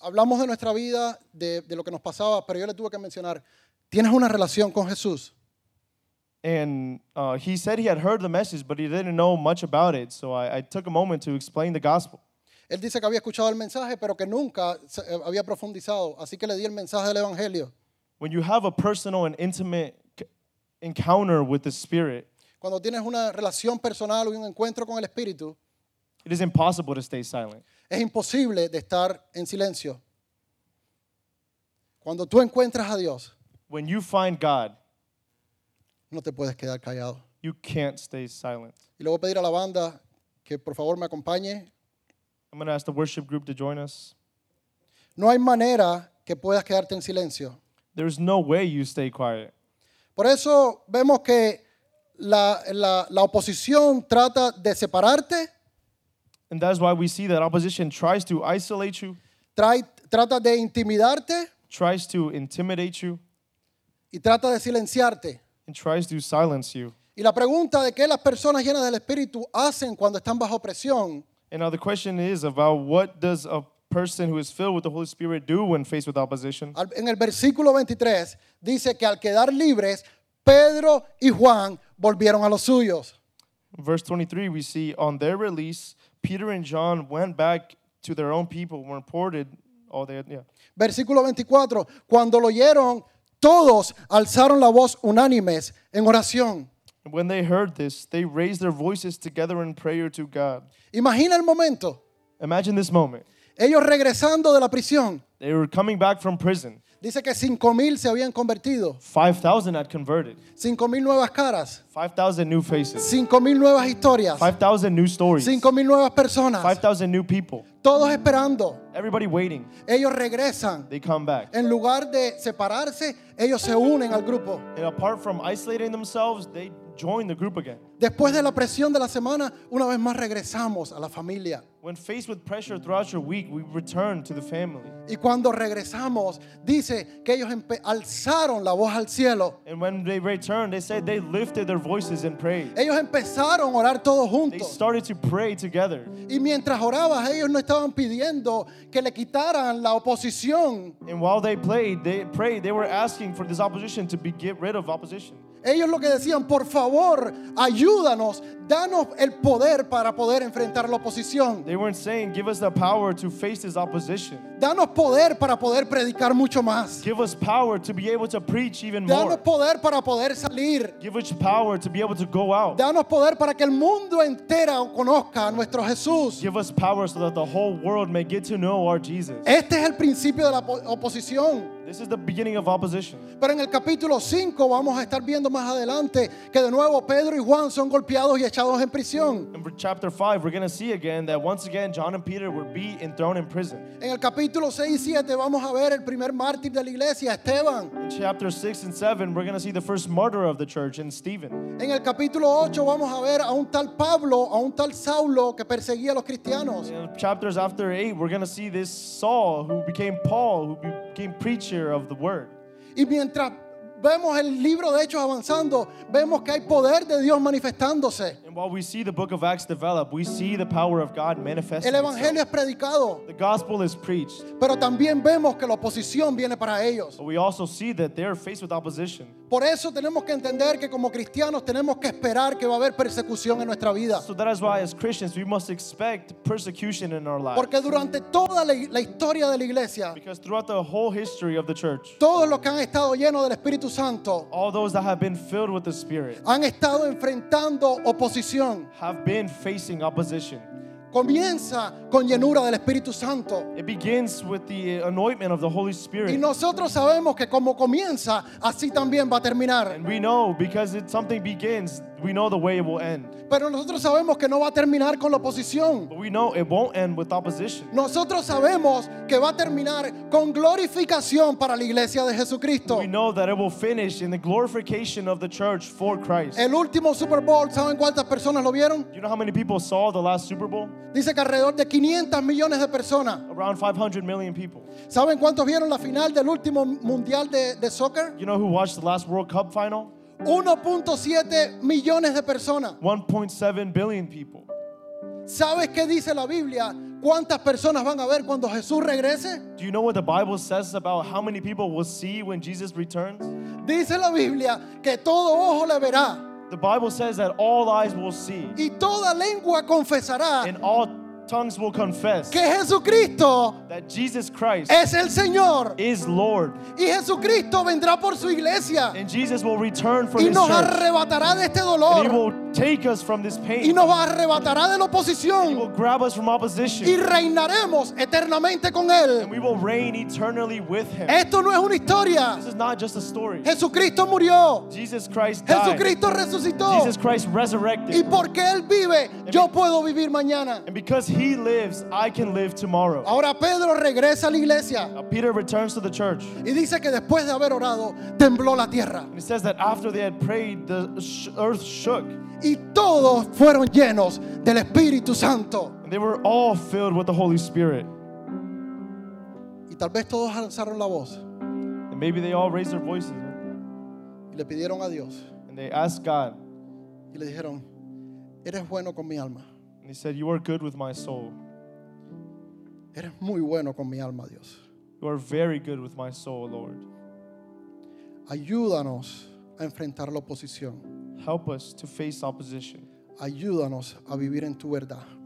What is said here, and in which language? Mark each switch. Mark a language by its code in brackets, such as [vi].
[es] Hablamos de nuestra vida, de lo que nos pasaba, pero yo le tuve que mencionar, ¿tienes una relación con Jesús? [en] And he said he had heard the message, but he didn't know much about it. So I took a moment to explain the gospel. [es] Él dice que había escuchado el mensaje, pero que nunca había profundizado. Así que le di el mensaje del evangelio. [en] When you have a personal and intimate encounter with the Spirit. [es] Cuando tienes una relación personal o un encuentro con el Espíritu, [en] it is impossible to stay silent. [es] Es imposible de estar en silencio. Cuando tú encuentras a Dios, [en] when you find God, [es] no te puedes quedar callado. [en] You can't stay silent. [es] Y le voy a pedir a la banda que por favor me acompañe. [en] I'm going to ask the worship group to join us. [es] No hay manera que puedas quedarte en silencio. [en] There is no way you stay quiet. [es] Por eso vemos que la oposición trata de separarte. [en] And that's why we see that opposition tries to isolate you. [es] Trata de intimidarte. [en] Tries to intimidate you. [es] Y trata de silenciarte. [en] And tries to silence you. [es] Y la pregunta de qué las personas llenas del Espíritu hacen cuando están bajo presión. [en] And now the question is about what does a person who is filled with the Holy Spirit do when faced with opposition? [es] En el versículo 23 dice que al quedar libres, Pedro y Juan volvieron a los suyos. [en] Verse 23, we see on their release, Peter and John went back to their own people, were reported all their, yeah. [es] Versículo 24, cuando lo oyeron, todos alzaron la voz unánimes en oración. [en] When they heard this, they raised their voices together in prayer to God. [es] Imagina el momento. [en] Imagine this moment. [es] Ellos regresando de la prisión. [en] They were coming back from prison. [es] Dice que 5,000 se habían convertido. [en] 5,000 had converted. [es] 5,000 nuevas caras. [en] 5,000 new faces. [es] 5,000 nuevas historias. [en] 5,000 new stories. [es] 5,000 nuevas personas. [en] 5,000 new people. [es] Todos esperando. [en] Everybody waiting. [es] Ellos regresan. [en] They come back. [es] En lugar de separarse, ellos se unen al grupo. [en] And apart from isolating themselves, they join the group again. [es] Después de la presión de la semana, una vez más regresamos a la familia. [en] When faced with pressure throughout your week, we return to the family. [es] Y cuando regresamos, dice que ellos alzaron la voz al cielo. [en] And when they returned, they said they lifted their voices and prayed. [es] Ellos empezaron a orar todos juntos. [en] They started to pray together. [es] Y mientras oraban, ellos no estaban pidiendo que le quitaran la oposición. [en] And while they played, they prayed, they were asking for this opposition to be get rid of opposition. [es] Ellos lo que decían, por favor, ayúdanos, danos el poder para poder enfrentar la oposición. [en] They weren't saying, give us the power to face this opposition. [es] Danos poder para poder predicar mucho más. [en] Give us power to be able to preach even [es] danos [en] more. [es] Danos poder para poder salir. [en] Give us power to be able to go out. [es] Danos poder para que el mundo entero conozca a nuestro Jesús. [en] Give us power so that the whole world may get to know our Jesus. [es] Este es el principio de la oposición. [en] This is the beginning of opposition. [es] Pero en el capítulo 5 vamos a estar viendo más adelante que de nuevo Pedro y Juan son golpeados y echados en prisión. [en] In chapter 5 we're going to see again that once again John and Peter were beat and thrown in prison. [es] En el capítulo 6 y 7 vamos a ver el primer mártir de la iglesia, Esteban. [en] In chapter 6 and 7 we're going to see the first martyr of the church in Stephen. [es] En el capítulo 8 vamos a ver a un tal Pablo, a un tal Saulo que perseguía a los cristianos. [en] In chapters after 8 we're going to see this Saul who became Paul, who became preacher of the word. [es] Y mientras vemos el libro de Hechos avanzando, vemos que hay poder de Dios manifestándose. [en] And while we see the book of Acts develop, we see the power of God manifesting. [es] El evangelio [en] itself [es] es predicado. [en] The gospel is preached. [es] Pero también vemos que la oposición viene para ellos. [en] But we also see that they are faced with opposition. [es] Por eso tenemos que entender que como cristianos tenemos que esperar que va a haber persecución en nuestra vida. [en] So that is why as Christians we must expect persecution in our lives. [es] Porque durante toda la historia de la iglesia, [en] because throughout the whole history of the church, [es] todos los que han estado llenos del Espíritu Santo, [en] all those that have been filled with the Spirit, [es] han estado enfrentando oposición, [en] have been facing opposition. [es] Comienza con llenura del Espíritu Santo. [en] It begins with the anointment of the Holy Spirit. [es] Y nosotros sabemos que como comienza, así también va a terminar. [en] And we know because it's something begins, we know the way it will end. [es] Pero nosotros sabemos que no va a terminar con la oposición. [en] But we know it won't end with opposition. [es] Nosotros sabemos que va a terminar con glorificación para la iglesia de Jesucristo. [en] We know that it will finish in the glorification of the church for Christ. [es] El último Super Bowl, ¿saben cuántas personas lo vieron? [en] You know how many people saw the last Super Bowl? [es] Dice que alrededor de 500 millones de personas. [en] Around 500 million people. [es] ¿Saben cuántos vieron la final del último mundial de soccer? [en] You know who watched the last World Cup final? [es] 1.7 millones de personas. [en] 1.7 billion people. [es] ¿Sabes qué dice la Biblia? ¿Cuántas personas van a ver cuando Jesús regrese? [en] Do you know what the Bible says about how many people will see when Jesus returns? [es] Dice la Biblia que todo ojo le verá. [en] The Bible says that all eyes will see. [es] Y toda lengua confesará. [en] And all tongues will confess. [es] Que Jesucristo, [en] that Jesus Christ, [es] es el Señor, [en] is Lord. [es] Y Jesucristo vendrá por su iglesia. [en] And Jesus will return for [es] y [en] his [es] nos [en] church. [es] Arrebatará de este dolor. [en] And he will take us from this pain. [es] Y nos arrebatará de la oposición. [en] And he will grab us from opposition. [es] Y reinaremos eternamente con él. [en] And we will reign eternally with him. [es] Esto no es una historia. [en] This is not just a story. [es] Jesucristo murió. [en] Jesus Christ died. [es] Jesucristo resucitó. [en] Jesus Christ resurrected. [es] Y porque él vive, yo puedo vivir mañana. [en] And because he lives, I can live tomorrow. [es] Ahora Pedro regresa a la iglesia. [en] Now Peter returns to the church. [es] Y dice que después de haber orado, tembló la tierra. [en] And it says that after they had prayed, the earth shook. [es] y todos fueron llenos del Espíritu Santo. [en] And they were all filled with the Holy Spirit. [es] Y tal vez todos alzaron la voz. [en] And maybe they all raised their voices. [es] Y le pidieron a Dios. [en] And they asked God. [es] Y le dijeron, eres bueno con mi alma. [en] And he said, you are good with my soul. [es] Eres muy bueno con mi alma, Dios. [en] You are very good with my soul, Lord. [es] Ayúdanos a enfrentar la oposición. [en] Help us to face opposition. [es] Ayúdanos a vivir en tu verdad.